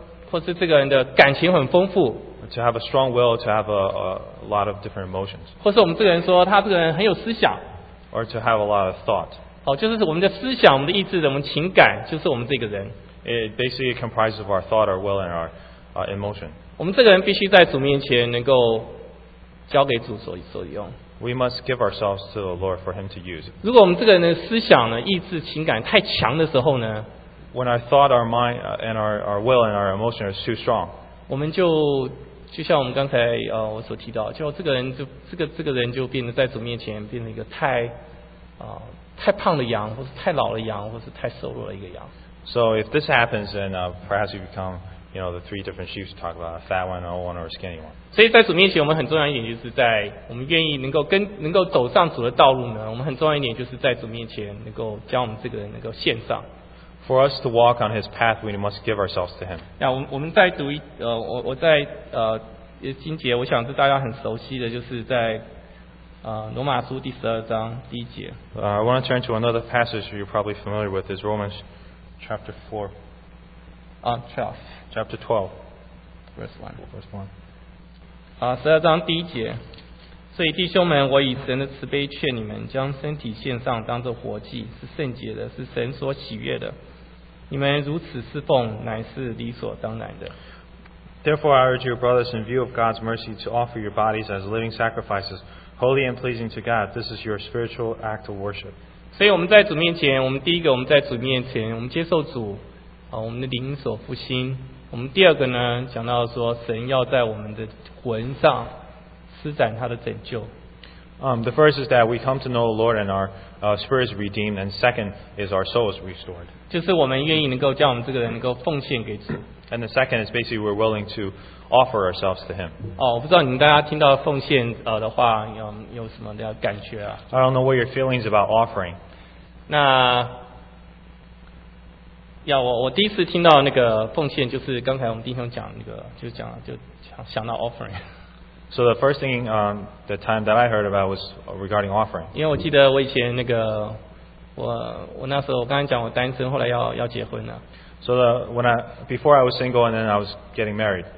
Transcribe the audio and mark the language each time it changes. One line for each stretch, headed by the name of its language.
Chinese: 或是这个人的感情很丰富。
English: To have a strong will, to have a lot of different emotions.
Chinese: 或是我们这个人说他这个人很有思想。
English: Or to have a lot of thought.
Chinese: 好，就是我们的思想、我们的意志、我们情感，就是我们这个人。
English: It basically comprises of our thought, our will, and our emotion.
Chinese: 我们这个人必须在主面前能够交给主所用。
English: We must give ourselves to the Lord for Him to use.
Chinese: 如果我们这个人的思想呢、意志、情感太强的时候呢
English: ，When our thought, our mind, and our will and our emotion is too strong,
Chinese: 我们就像我们刚才我所提到，就这个人就这个人就变得在主面前变成一个太胖的羊，或是太老的羊，或是太瘦弱的一个羊。
English: So if this happens, then perhaps you become, you know, the three different sheep to talk about, a fat one, an old one, or a skinny one.
Chinese: 所以在主面前，我们很重要一点就是在我们愿意能够走上主的道路呢，我们很重要一点就是在主面前能够将我们这个人能够献上。
English: For us to walk on His path, we must give ourselves to Him.
Chinese: 那我们再读我在经节，我想是大家很熟悉的，就是在罗马书第十二章第一节。
English: I want to turn to another passage you're probably familiar with is Romans chapter 4. Chapter 12. Verse 1.
Chinese: 十二章第一节。所以弟兄们，我以神的慈悲劝你们，将身体献上，当作活祭，是圣洁的，是神所喜悦的。你们如此侍奉，乃是理所当然的。
English: Therefore, I urge you, brothers, in view of God's mercy, to offer your bodies as living sacrifices, holy and pleasing to God. This is your spiritual act of worship.
Chinese: 所以我们在主面前，我们第一个，我们在主面前，我们接受主，我们的灵所复兴。我们第二个呢，讲到说，神要在我们的魂上施展他的拯救。
English: The first is that we come to know the Lord and our spirit is redeemed, and second is our soul is restored.
Chinese: 就是我们愿意能够将我们这个人能够奉献给主。
English: And the second is basically we're willing to offer ourselves to Him.
Chinese: 我不知道你们大家听到奉献的话有什么的感觉啊
English: ？I don't know what your feelings about offering.
Chinese: 那要我第一次听到那个奉献，就是刚才我们弟兄讲那个，就想到 offering。
English: So the first thing, the time that I heard about was regarding offering.
Chinese: 因为我记得我以前那个，我那时候我刚才讲我单身，后来要结婚了。
English: So before I was single and then I was getting married.